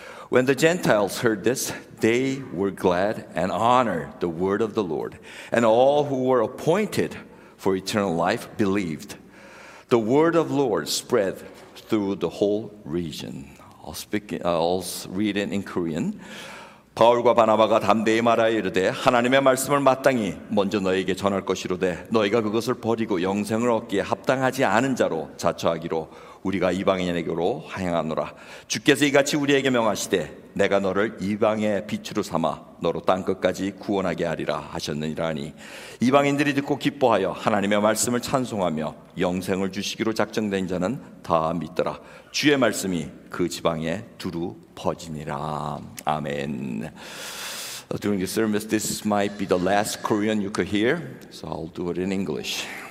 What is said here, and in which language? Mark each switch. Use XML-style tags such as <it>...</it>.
<en>When the Gentiles heard this, they were glad and honored the word of the Lord, and all who were appointed for eternal life believed. The word of the Lord spread through the whole region. I'll read it in Korean.</en> <ko>바울과 바나바가 담대히 말하여 이르되 하나님의 말씀을 마땅히 먼저 너희에게 전할 것이로되 너희가 그것을 버리고 영생을 얻기에 합당하지 않은 자로 자처하기로 우리가 이방인에게로 하향하노라. 주께서 이같이 우리에게 명하시되 내가 너를 이방의 빛으로 삼아 너로 땅끝까지 구원하게 하리라 하셨느니라니 이방인들이 듣고 기뻐하여 하나님의 말씀을 찬송하며 영생을 주시기로 작정된 자는 다 믿더라. 주의 말씀이 그 지방에 두루 퍼지니라. 아멘.</ko> <en>During the service, this might be the last Korean you could hear, so I'll do it in English.</en>